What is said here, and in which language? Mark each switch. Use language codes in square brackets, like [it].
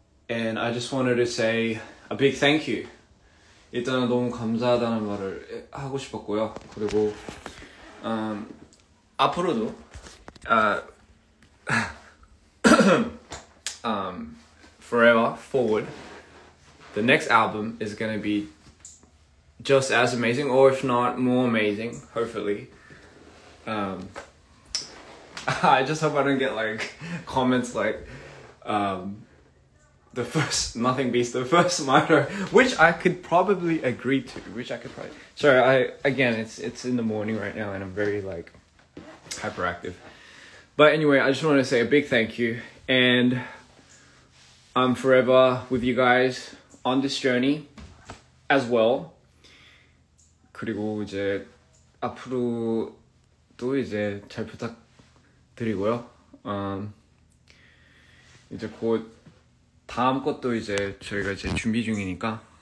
[en] and I just wanted to say a big thank you. [ko] 일단은 너무 감사하다는 말을 하고 싶었고요. 그리고 앞으로도 [en] forever forward, the next album is going to be just as amazing, or if not more amazing, hopefully. I just hope I don't get like comments like the first Nothing Beast, the first Mito, which I could probably agree to, sorry, it's in the morning right now and I'm very like hyperactive. But anyway, I just want to say a big thank you and I'm forever with you guys on this journey as well. [ko] 그리고 이제 앞으로도 이제 잘 부탁 드리고요. 이제 곧 다음 것도 이제 저희가 이제 준비 중이니까.